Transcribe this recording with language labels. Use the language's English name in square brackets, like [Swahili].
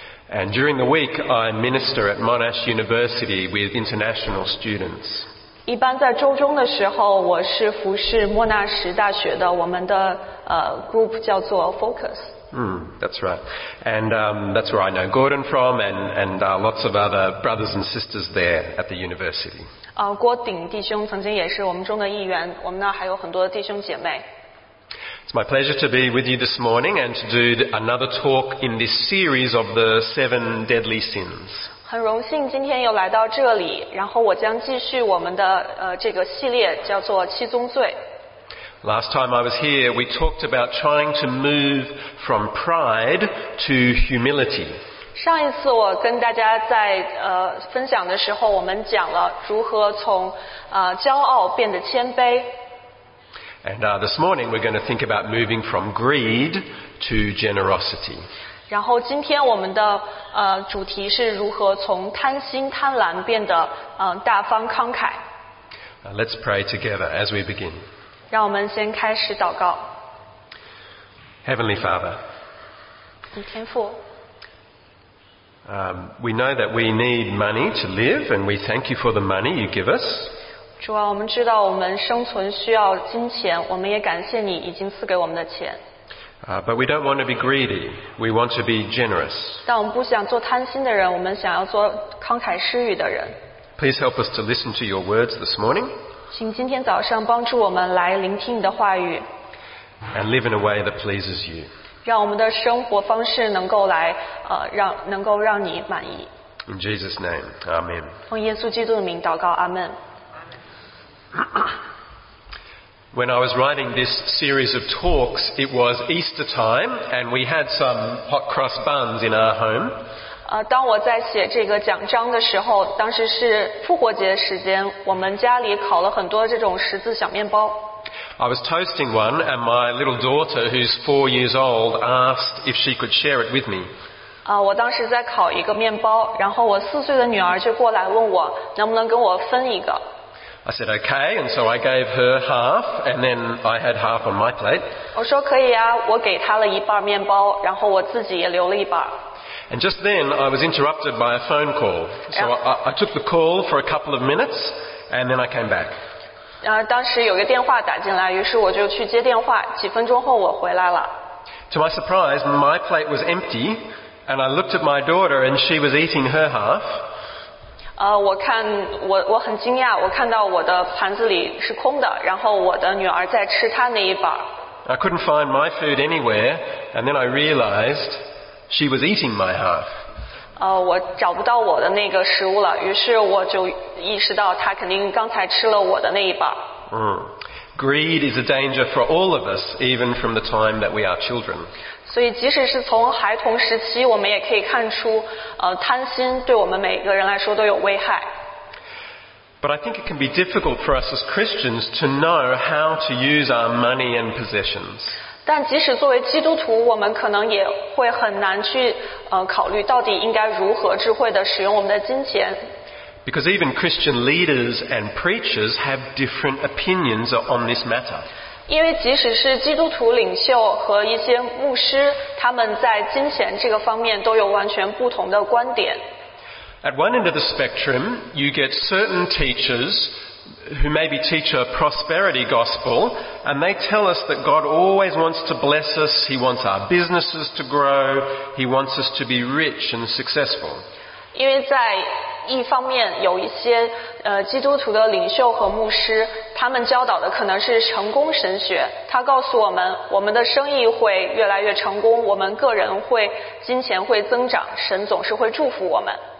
[English] And during the week, I minister at Monash University with international students. [Chinese] 一般在周中的时候，我是服侍莫纳什大学的，我们的group 叫做 Focus. [English] That's right. And that's where I know Gordon from, and lots of other brothers and sisters there at the university. [Chinese] 郭鼎弟兄曾经也是我们中的一员，我们那还有很多弟兄姐妹。 [English] It's my pleasure to be with you this morning and to do another talk in this series of the seven deadly sins. [Chinese] 很荣幸今天又来到这里，然后我将继续我们的这个系列叫做七宗罪。 [English] Last time I was here, we talked about trying to move from pride to humility. [Chinese] 上一次我跟大家在分享的时候，我们讲了如何从骄傲变得谦卑。 [English] And this morning we're going to think about moving from greed to generosity. [Chinese] 然后今天我们的主题是如何从贪心贪婪变得大方慷慨。 [English] Let's pray together as we begin. [Chinese] 让我们先开始祷告。 [English] Heavenly Father. [Chinese] 天父。 [English] We know that we need money to live, and we thank you for the money you give us. [Chinese] 主啊，我们知道我们生存需要金钱，我们也感谢你已经赐给我们的钱。 [English] But we don't want to be greedy. We want to be generous. [Chinese] 但我们不想做贪心的人，我们想要做慷慨施予的人。 [English] Please help us to listen to your words this morning. [Chinese] 请今天早上帮助我们来聆听你的话语。 [English] And live in a way that pleases you. [Chinese] 让我们的生活方式能够来能够让你满意。 [English] In Jesus' name, Amen. [Chinese] 奉耶稣基督的名祷告，阿门。 [English] When I was writing this series of talks, it was Easter time, and we had some hot cross buns in our home. [Chinese] 当我在写这个讲章的时候，当时是复活节时间，我们家里烤了很多这种十字小面包。 [English] I was toasting one, and my little daughter, who's 4 years old, asked if she could share it with me. [Chinese] 我当时在烤一个面包，然后我4岁的女儿就过来问我，能不能跟我分一个。 [English] I said okay, and so I gave her half, and then I had half on my plate. [Chinese] 我说可以啊，我给她了一半面包，然后我自己也留了一半。 [English] And just then, I was interrupted by a phone call. So I took the call for a couple of minutes, and then I came back. [Chinese] 当时有个电话打进来，于是我就去接电话。几分钟后，我回来了。 [English] To my surprise, my plate was empty, and I looked at my daughter, and she was eating her half. [Chinese] 我很惊讶，我看到我的盘子里是空的，然后我的女儿在吃她那一半。 [English] I couldn't find my food anywhere, and then I realized she was eating my half. [Chinese] 我找不到我的那个食物了，于是我就意识到她肯定刚才吃了我的那一半。 [English] Greed is a danger for all of us, even from the time that we are children. [Chinese] 所以即使是从孩童时期，我们也可以看出，贪心对我们每个人来说都有危害。 [English] But I think it can be difficult for us as Christians to know how to use our money and possessions. [Chinese] 但即使作为基督徒，我们可能也会很难去考虑到底应该如何智慧地使用我们的金钱。 [English] Because even Christian leaders and preachers have different opinions on this matter. [Chinese] 因为即使是基督徒领袖和一些牧师，他们在金钱这个方面都有完全不同的观点。 [English] At one end of the spectrum, you get certain teachers who maybe teach a prosperity gospel, and they tell us that God always wants to bless us, He wants our businesses to grow, He wants us to be rich and successful. [Chinese] 因为在一方面有一些基督徒的领袖和牧师，他们教导的可能是成功神学，他告诉我们，我们的生意会越来越成功，我们个人会金钱会增长，神总是会祝福我们。